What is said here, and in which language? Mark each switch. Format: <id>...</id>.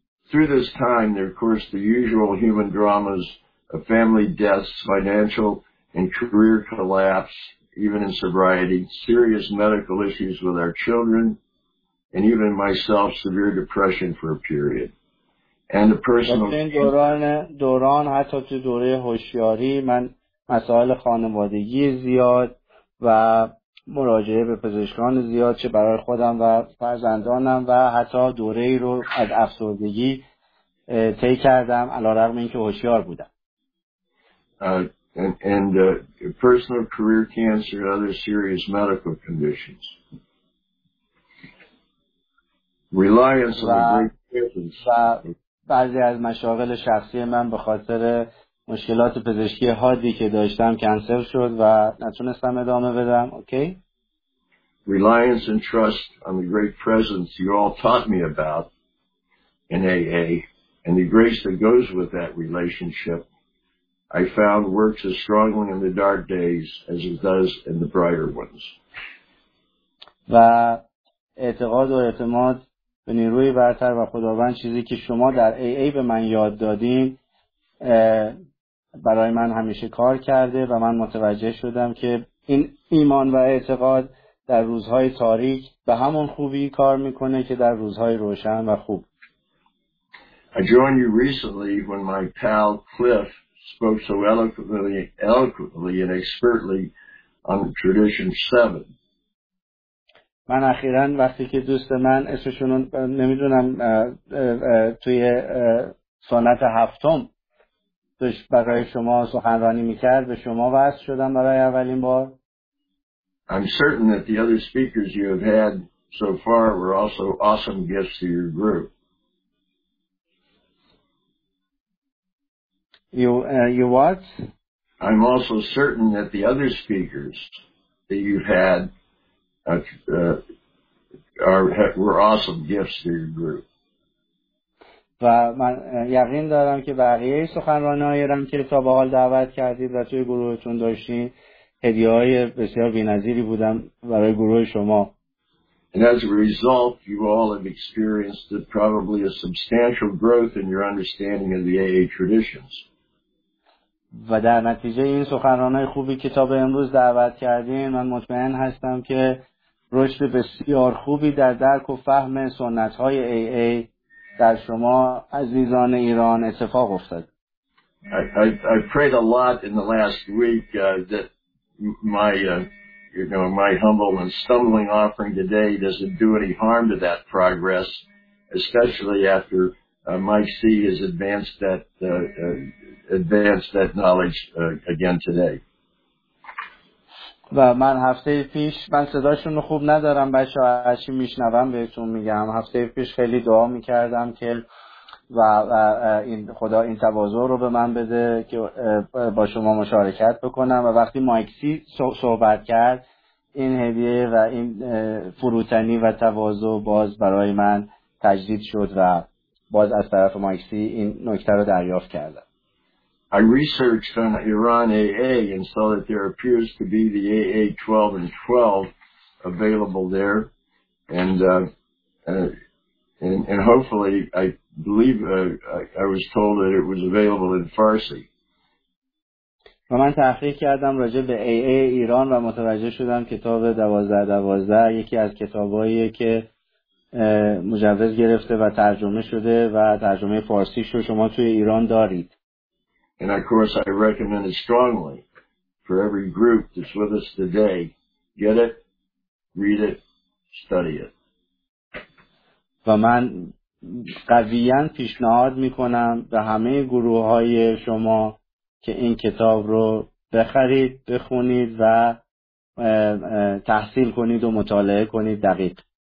<en>Through this time, there are, of course, the usual human dramas of family deaths, financial and career collapse, even in sobriety, serious medical issues with our children, and even myself, severe depression for a period. And a personal...</en> <fa>دوران حتی تو دوره هوشیاری من مسائل خانوادگی زیاد و مراجعه به پزشکان زیاد چه برای خودم و فرزندانم و حتی دوره ای رو از افسردگی طی کردم علارغم اینکه هوشیار بودم.</fa> <en>Personal career cancer and other serious medical conditions. Reliance on</en> <fa>بعضی از مشاغل شخصی من به خاطر مشکلات پزشکی حادی که داشتم کنسل شد و نتونستم ادامه بدم. اوکی؟</fa> <en>Reliance and trust on the great presence you all taught me about in AA and the grace that goes with that relationship I found works as strongly in the dark days as it does in the brighter ones.</en> <fa>و اعتقاد و اعتماد به نیروی برتر و خداوند چیزی که شما در AA به من یاد دادین برای من همیشه کار کرده و من متوجه شدم که این ایمان و اعتقاد در روزهای تاریک به همون خوبی کار میکنه که در روزهای روشن و خوب.</fa> <en>I joined you recently when my pal Cliff spoke so eloquently and expertly on the tradition 7.</en> <fa>من اخیراً وقتی که دوست من اسمشون رو نمیدونم توی سنت هفتم داشت برای شما سخنرانی میکرد به شما وصل شدم برای اولین بار.</fa> <en>I'm certain that the other speakers you have had so far were also awesome gifts to your group. You what? I'm also certain that the other speakers that you've had were awesome gifts to your group.</en> <fa>و من یقین دارم که بقیه سخنرانی‌هایی را که تا به حال دعوت کردید و توی گروهتون داشتین هدیه‌های بسیار بی‌نظیری بودن برای گروه شما.</fa> <en>And as a result, you all have experienced probably a substantial growth in your understanding of the AA traditions.</en> <fa>و در نتیجه این سخنرانی خوبی که تا به امروز دعوت کردین من مطمئن هستم که رشد بسیار خوبی در درک و فهم سنت‌های AA در شما عزیزان ایران اتفاق افتاد.</fa> <en>I prayed a lot in the last week that my you know, my humble and stumbling offering today doesn't do any harm to that progress, especially after Mike C. has advanced that knowledge again today.</en> <fa>و من هفته پیش من صداشون رو خوب ندارم بچه‌ها هرچی میشنوم بهتون میگم هفته پیش خیلی دعا میکردم که و این خدا این تواضع رو به من بده که با شما مشارکت بکنم و وقتی مایکسی صحبت کرد این هدیه و این فروتنی و تواضع باز برای من تجدید شد و باز از طرف مایکسی این نکته رو دریافت کردم.</fa> <en>I researched on Iran AA and saw that there appears to be the AA 12 and 12 available there, and hopefully, I believe I was told that it was available in Farsi.</en> <fa>و من تحقیق کردم راجع به AA ایران و متوجه شدم کتاب 12-12 یکی از کتابایی که مجوز گرفته و ترجمه شده و ترجمه فارسی شو شما توی ایران دارید.</fa> <en>And of course, I recommend it strongly for every group that's with us today. Get it, read it, study it.</en> <fa>و من قویاً پیشنهاد میکنم به همه گروه های شما که این کتاب رو بخرید، بخونید و تحصیل کنید و مطالعه کنید دقیق.</fa>